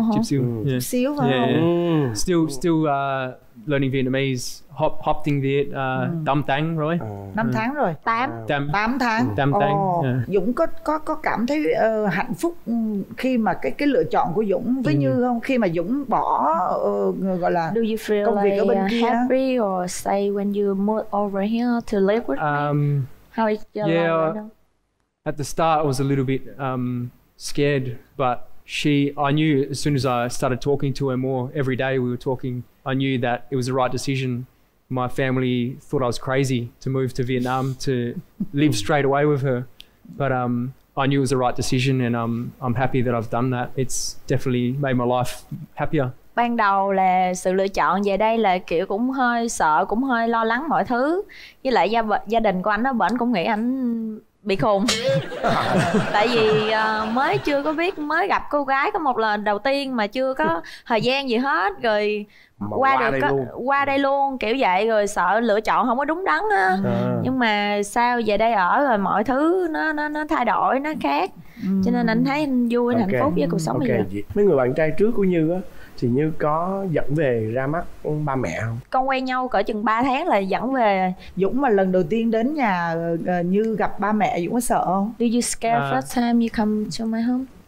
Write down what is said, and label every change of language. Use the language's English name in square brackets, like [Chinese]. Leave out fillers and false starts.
[English] Still learning Vietnamese, [Vietnamese] hop tiếng Việt, tám tháng rồi. Năm tháng rồi. Tám tháng. Tám tháng. Dũng có cảm thấy hạnh phúc khi mà cái lựa chọn của Dũng với Như không? Khi mà Dũng bỏ gọi là công việc ở bên kia. [English] Do you feel like happy or say when you move over here to live with me? How is your life at the start, I was a little bit scared, but I knew as soon as I started talking to her more every day, we were talking. I knew that it was the right decision. My family thought I was crazy to move to Vietnam to live straight away with her, but I knew it was the right decision, and I'm happy that I've done that. It's definitely made my life happier. [Vietnamese] Ban đầu là sự lựa chọn về đây là kiểu cũng hơi sợ, cũng hơi lo lắng mọi thứ. Với lại gia đình của anh đó, bển cũng nghĩ anh bị khùng. Tại vì mới chưa có biết, mới gặp cô gái có một lần đầu tiên mà chưa có thời gian gì hết, rồi qua đây luôn kiểu vậy, rồi sợ lựa chọn không có đúng đắn á. Nhưng mà sao về đây ở rồi mọi thứ nó thay đổi, nó khác. Cho nên anh thấy anh vui, anh hạnh phúc với cuộc sống bây giờ. Mấy người bạn trai trước của Như á thì Như có dẫn về ra mắt ba mẹ không? Con quen nhau cỡ chừng 3 tháng là dẫn về. Dũng mà lần đầu tiên đến nhà Như gặp ba mẹ, Dũng có sợ không? [English] Do you scare first time you come to my home?